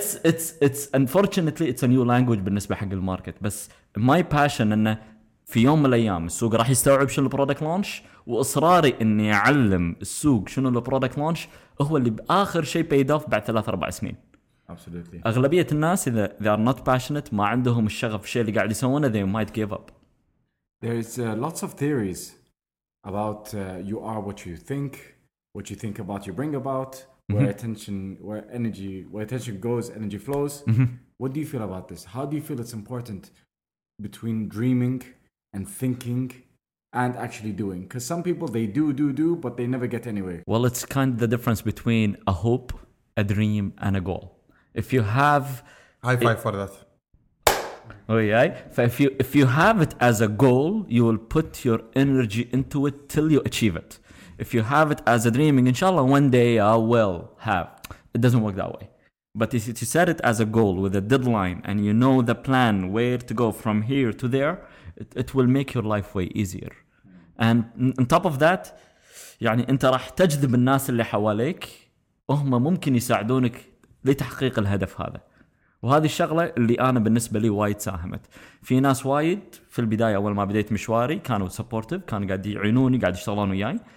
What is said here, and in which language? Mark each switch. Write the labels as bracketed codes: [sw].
[en] it's unfortunately it's a new language [ar] بالنسبة حق الماركت. بس [en] my passion [ar] انه في يوم من الايام السوق راح يستوعب شنو البرودكت لانش واصراري اني اعلم السوق شنو البرودكت لانش هو اللي باخر شيء بيد اوف بعد 3-4 سنين. [en] Absolutely. [ar] اغلبيه الناس اذا [en] they are not passionate [ar] ما عندهم الشغف الشيء اللي قاعد يسوونه [en] they might give up. There is lots of theories about you are what you think about you bring about, where attention, where energy, where attention goes, energy flows. What do you feel about this? How do you feel it's important between dreaming and thinking and actually doing, because some people they do but they never get anywhere. Well, it's kind of the difference between a hope, a dream and a goal. If you have high five for that. Oh yeah. If you have it as a goal, you will put your energy into it till you achieve it. If you have it as a dreaming, inshallah one day I will have, it doesn't work that way. But if you set it as a goal with a deadline and you know the plan where to go from here to there, it will make your life way easier. And on top of that, [ar] يعني انت راح تجذب الناس اللي حواليك وهم ممكن يساعدونك لتحقيق الهدف هذا. وهذه الشغلة اللي انا بالنسبة لي وايد ساهمت. في ناس وايد في البداية اول ما بديت مشواري كانوا supportive, كانوا قاعد يعينوني قاعد يشتغلون وياي.